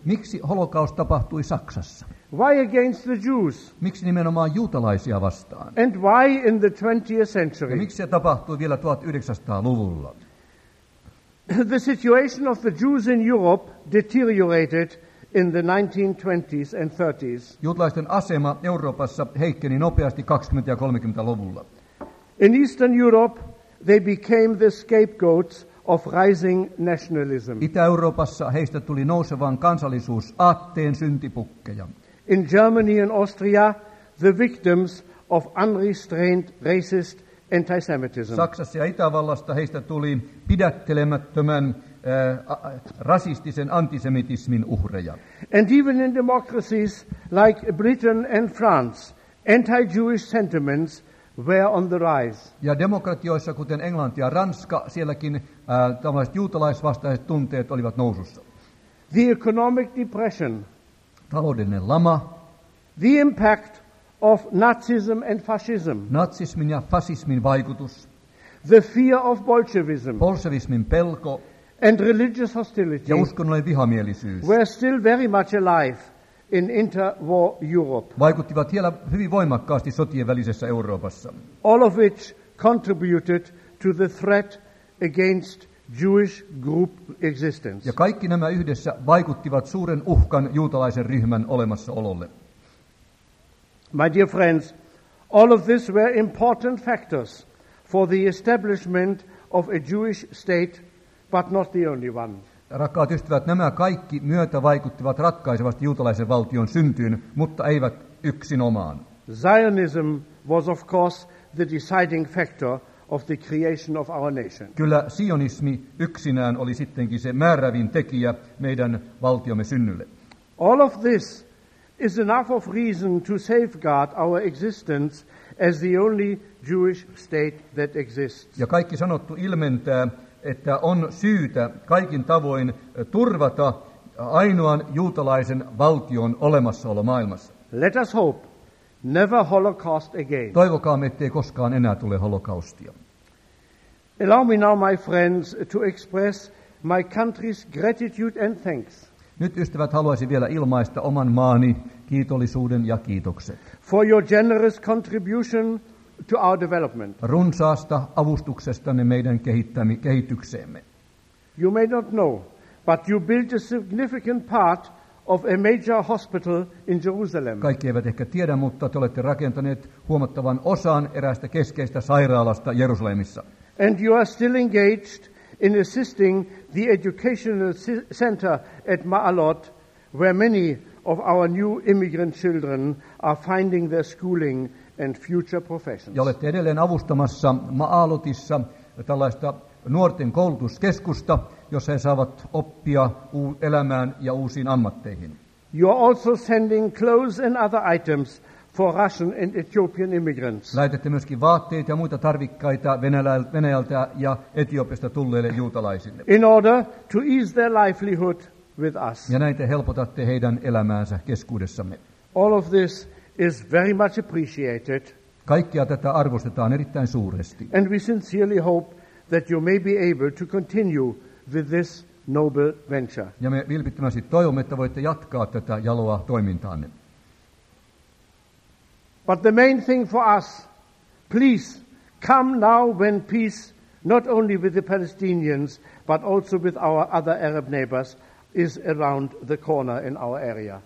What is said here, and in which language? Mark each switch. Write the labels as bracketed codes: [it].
[fi] Miksi holokaust tapahtui Saksassa? [en] Why against the Jews? [fi] Miksi nimenomaan juutalaisia vastaan? [en] And why in the 20th century? [fi] Ja miksi se tapahtui vielä 1900-luvulla? [en] The situation of the Jews in Europe deteriorated in the 1920s and 30s. [fi] Juutalaisten asema Euroopassa heikkeni nopeasti 20- ja 30-luvulla. [en] In Eastern Europe, they became the scapegoats of rising nationalism. [fi] Itä-Euroopassa heistä tuli nousevan kansallisuusaatteen syntipukkeja. [en] In Germany and Austria, the victims of unrestrained racist antisemitism. [fi] Saksassa ja Itävallasta heistä tuli pidättelemättömän rasistisen antisemitismin uhreja. [en] And even in democracies like Britain and France, anti-Jewish sentiments were on the rise. [fi] Ja demokratioissa kuten Englanti ja Ranska, sielläkin tällaiset juutalaisvastaiset tunteet olivat nousussa. [en] The economic depression. [fi] Taloudellinen lama. [en] The impact of Nazism and fascism. [fi] Natsismin ja fasismin vaikutus. [en] The fear of Bolshevism. [fi] Bolshevismin pelko. [en] And religious hostility. [fi] Ja uskonnollinen vihamielisyys. [en] Were still very much alive in interwar Europe. [fi] Vaikuttivat vielä hyvin voimakkaasti sotien välisessä Euroopassa. [en] All of which contributed to the threat against Jewish group existence. [fi] Ja kaikki nämä yhdessä vaikuttivat suuren uhkan juutalaisen ryhmän olemassaololle. [en] My dear friends, all of this were important factors for the establishment of a Jewish state, but not the only one. [fi] Rakkaat ystävät, nämä kaikki myötä vaikuttivat ratkaisevasti juutalaisen valtion syntyyn, mutta eivät yksinomaan. [en] Zionism was of course the deciding factor of the creation of our nation. [fi] Kyllä sionismi yksinään oli sittenkin se määrävin tekijä meidän valtiomme synnylle. [en] All of this is enough of reason to safeguard our existence as the only Jewish state that exists. [fi] Ja kaikki sanottu ilmentää, että on syytä kaikin tavoin turvata ainoan juutalaisen valtion olemassaolo maailmassa. [en] Let us hope never Holocaust again. [fi] Toivokaamme, ettei koskaan enää tule holokaustia. [en] Allow me now, my friends, to express my country's gratitude and thanks. [fi] Nyt ystävät, haluaisin vielä ilmaista oman maani kiitollisuuden ja kiitokset. [en] For your generous contribution to our development. [fi] Runsaasta avustuksestanne meidän kehitykseemme. [en] You may not know, but you built a significant part of a major hospital in Jerusalem. [fi] Kaikki eivät ehkä tiedä, mutta te olette rakentaneet huomattavan osan eräästä keskeistä sairaalasta Jerusalemissa. [en] And you are still engaged in assisting the educational center at Ma'alot, where many of our new immigrant children are finding their schooling and future professions. [fi] Ja olette edelleen avustamassa Ma'alotissa tällaista nuorten koulutuskeskusta, jossa he saavat oppia elämään ja uusiin ammatteihin. [en] You are also sending clothes and other items for Russian and Ethiopian immigrants. [fi] Lähetätte myöskin vaatteet ja muita tarvikkaita Venäjältä ja Etiopiasta tulleille juutalaisille. [en] In order to ease their livelihood with us. [fi] Ja näin te helpotatte heidän elämäänsä keskuudessamme. [en] All of this is very much appreciated. [fi] Kaikkia tätä arvostetaan erittäin suuresti. [en] And we sincerely hope that you may be able to continue with this noble venture. [fi] Ja me vilpittömästi toivomme, että voitte jatkaa tätä jaloa toimintaanne. [en] But the main thing for us, please come now when peace, not only with the Palestinians, but also with our other Arab neighbors, is around the corner in our area.